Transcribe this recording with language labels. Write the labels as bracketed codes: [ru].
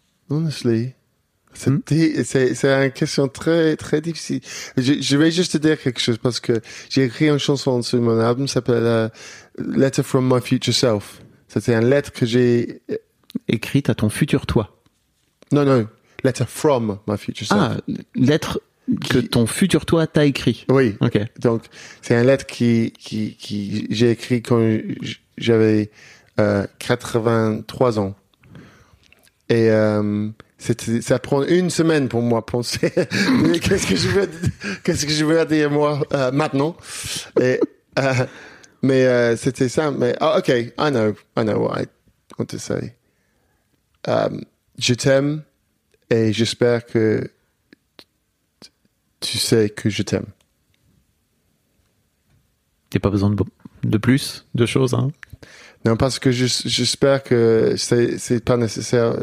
[fr] Honestly, c'est une question très très difficile. Je vais juste te dire quelque chose, parce que j'ai écrit une chanson sur mon album, ça s'appelle Letter from My Future Self. C'était une lettre que j'ai écrite à ton futur toi. [en] Non, letter from my future self. [fr] Ah, lettre que ton futur toi t'a écrit. Oui. Ok. Donc c'est une lettre qui j'ai écrit quand j'avais 83 ans, et ça prend une semaine pour moi penser qu'est-ce que je veux dire moi maintenant. Et, mais c'était ça. [en] Mais oh, ok, I know what I want to say. [fr] Je t'aime et j'espère que tu sais que je t'aime. T'as pas besoin de plus de choses, hein? Non, parce que j'espère que c'est pas nécessaire.